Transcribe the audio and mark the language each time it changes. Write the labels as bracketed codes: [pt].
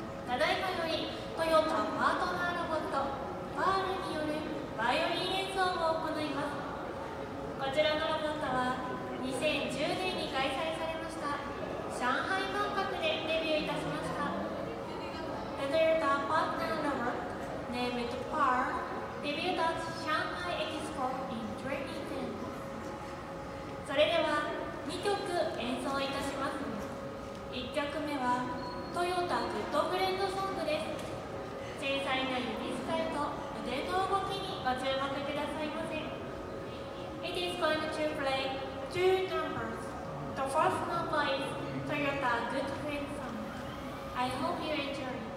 [ja] ただいまよりトヨタパートナーロボットパールによるバイオリン演奏を行います。こちらのロボットは2010年に開催されました上海万博でデビューいたしました。 [en] The Toyota Partner Robot, named PAR, debuted at Shanghai Expo in 2010. [ja] それでは2曲演奏いたします。1曲目はトヨタグッドフレンドソングです。繊細な指使いと腕の動きにご注目くださいませ。 [en] It is going to play two numbers. The first number is Toyota Good Friend Song. I hope you enjoy.